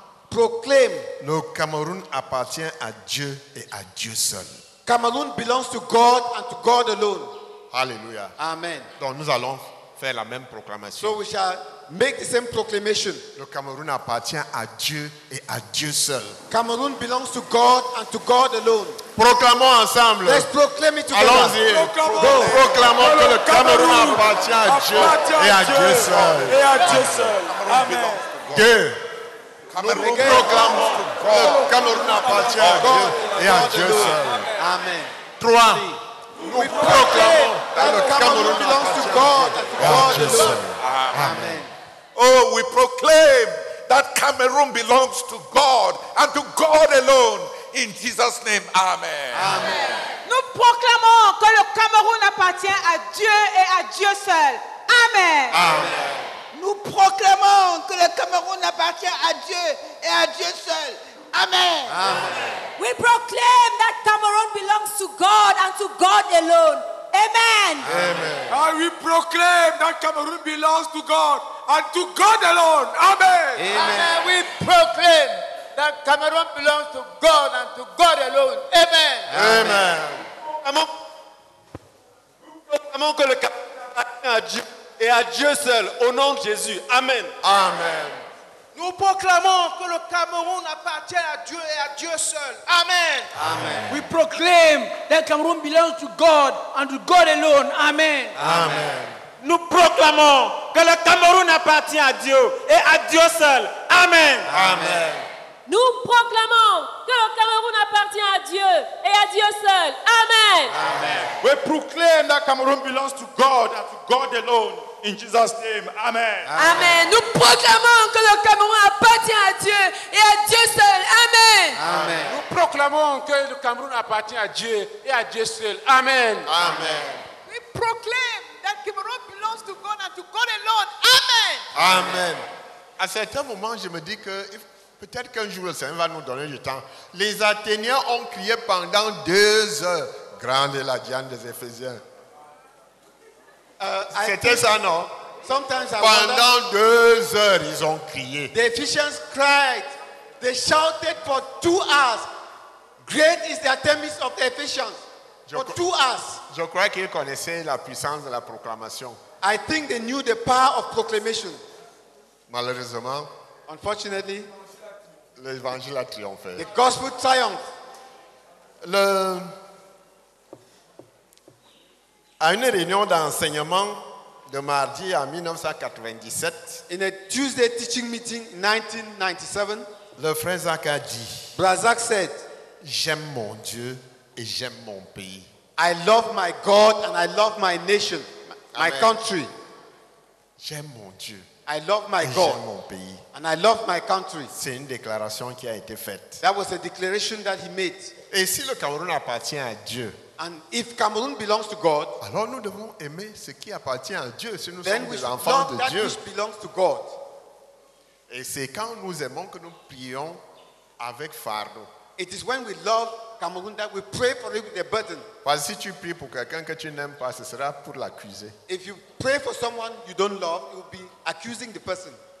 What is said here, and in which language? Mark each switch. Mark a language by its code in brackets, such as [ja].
[en] proclaim, [fr] le Cameroun appartient à Dieu et à Dieu seul. [en] Cameroun belongs to God and to God alone. Hallelujah. Amen. [fr] Donc nous allons faire la même proclamation. [en] So we shall make the same proclamation. [fr] Le Cameroun appartient à Dieu et à Dieu seul. [en] Cameroun belongs to God and to God alone. [fr] Proclamons ensemble. [en] Let's proclaim it together. [fr] Allons-y. Proclamons que le Cameroun appartient à Dieu et à Dieu seul. Et à Dieu seul. Amen. Dieu. Nous proclamons que le Cameroun appartient à Dieu et à Dieu seul. Amen. Trois. Nous proclamons que le Cameroun [en] belongs to God and to God alone. Amen. Oh, we proclaim that Cameroon belongs to God and to God alone. In Jesus' name, amen. Amen. [fr] Nous proclamons que le Cameroun appartient à Dieu et à Dieu seul. Amen. Amen. Nous proclamons que le Cameroun appartient à Dieu et à Dieu seul. Amen. Amen. [en] We proclaim that Cameroon belongs to God and to God alone. Amen. Amen. And we proclaim that Cameroon belongs to God and to God alone. Amen. Amen. Amen. We proclaim that Cameroon belongs to God and to God alone. Amen. [fr] Nous proclamons que le Cameroun appartient à Dieu et à Dieu seul, au nom de Jésus. Amen. Amen. Nous proclamons que le Cameroun appartient à Dieu et à Dieu seul. Amen. Amen. [en] We proclaim that Cameroon belongs to God and to God alone. Amen. Amen. [fr] Nous proclamons que le Cameroun appartient à Dieu et à Dieu seul. Amen. Amen. Nous proclamons que le Cameroun appartient à Dieu et à Dieu seul. Amen. Amen. [en] We proclaim that Cameroon belongs to God and to God alone. In Jesus' name. Amen. Amen. Amen. [fr] Nous proclamons que le Cameroun appartient à Dieu et à Dieu seul. Amen. Amen. Nous proclamons que le Cameroun appartient à Dieu et à Dieu seul. Amen. Amen. [en] We proclaim that Cameroun belongs to God and to God alone. Amen. Amen. [fr] À certains moments, je me dis que peut-être qu'un jour le Seigneur va nous donner du temps. Les Athéniens ont crié pendant 2 heures. Grande est la Diane des Éphésiens. C'était ça, non? [en] Sometimes [fr] pendant 2 heures, ils ont crié. [en] The Ephesians cried. They shouted for 2 hours. Great is the Artemis of the Ephesians. For 2 hours. [fr] Je crois qu'ils connaissaient la puissance de la proclamation. [en] I think they knew the power of proclamation. [fr] Malheureusement. [en] Unfortunately. [fr] L'évangile a triomphé. [en] The gospel triumphed. [fr] À une réunion d'enseignement de mardi en 1997, [en] in a Tuesday teaching meeting 1997, [fr] le frère Zach a dit, [en] Brother Zach said, [fr] j'aime mon Dieu et j'aime mon pays. [en] I love my God and I love my nation, my Amen. Country. [fr] J'aime mon Dieu. [en] I love my [fr] et [en] God. [fr] J'aime mon pays. [en] And I love my country. [fr] C'est une déclaration qui a été faite. [en] That was a declaration that he made. [fr] Et si le Cameroun appartient à Dieu? [en] And if Cameroon belongs to God, [fr] alors nous devons aimer ce qui appartient à Dieu, si nous [en] then [fr] sommes [en] we [fr] des enfants de [en] that [fr] Dieu. [en] Which belongs to God. [fr] Et c'est quand nous aimons que nous prions avec fardeau. [en] It is when we love Cameroon that we pray for it with a burden. [fr] Parce que si tu pries pour quelqu'un que tu n'aimes pas, ce sera pour l'accuser. [en] If you pray for someone you don't love, you will be accusing the person.